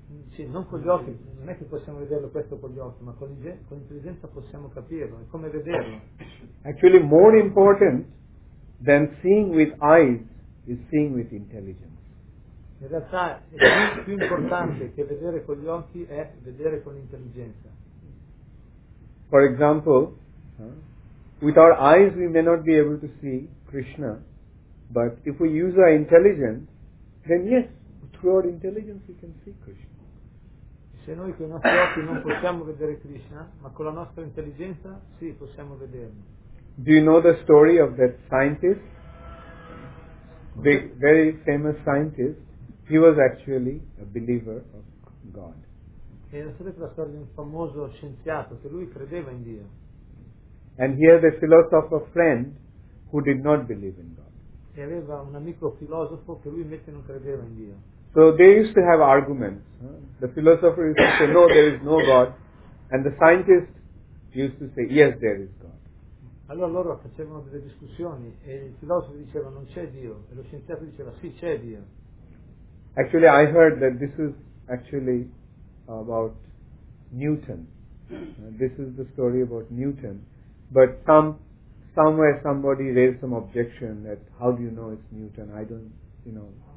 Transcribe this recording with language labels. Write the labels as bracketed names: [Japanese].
[Italian] Sì, non con gli occhi, non è che possiamo vederlo questo con gli occhi, ma con l'intelligenza possiamo capirlo, è come vederlo. [English] Actually, more important than seeing with eyes is seeing with intelligence. [Italian] In realtà è più importante che vedere con gli occhi è vedere con l'intelligenza. [English] For example, with our eyes we may not be able to see Krishna, but if we use our intelligence, then yes, through our intelligence we can see Krishna. [Italian] Se noi con i nostri occhi non possiamo vedere Krishna, ma con la nostra intelligenza sì, possiamo vederlo. [English] Do you know the story of that scientist? The very famous scientist. He was actually a believer of God. [Italian] E la storia di un famoso scienziato che lui credeva in Dio. [English] And he had a philosopher friend who did not believe in God. [Italian] E aveva un amico filosofo che lui invece non credeva in Dio. [English] So they used to have arguments. The philosopher used to say, no, there is no God. And the scientist used to say, yes, there is God. [Italian] Allora loro facevano delle discussioni e il filosofo diceva, non c'è Dio. E lo scienziato diceva, sì, c'è Dio. [English] Actually, I heard that this is actually about Newton. This is the story about Newton. But somewhere somebody raised some objection that how do you know it's Newton? I don't, you know.